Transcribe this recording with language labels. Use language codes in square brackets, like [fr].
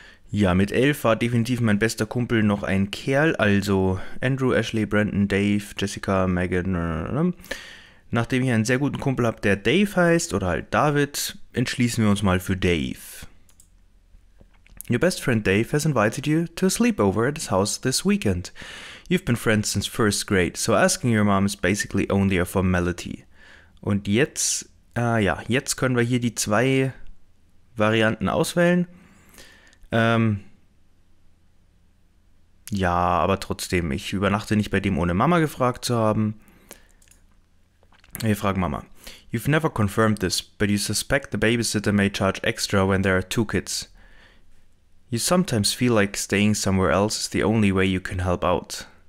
[de] Ja, mit 11 war definitiv mein bester Kumpel noch ein Kerl, also Andrew, Ashley, Brandon, Dave, Jessica, Megan. Nachdem ich einen sehr guten Kumpel habe, der Dave heißt, oder halt David, entschließen wir uns mal für Dave. [en] Your best friend Dave has invited you to a sleepover at his house this weekend. You've been friends since first grade, so asking your mom is basically only a formality. [de] Und jetzt, jetzt können wir hier die zwei Varianten auswählen. Ja, aber trotzdem, ich übernachte nicht bei dem, ohne Mama gefragt zu haben. Wir fragen Mama. [en] You've never confirmed this, but you suspect the babysitter may charge extra when there are two kids. You sometimes feel like staying somewhere else is the only way you can help out.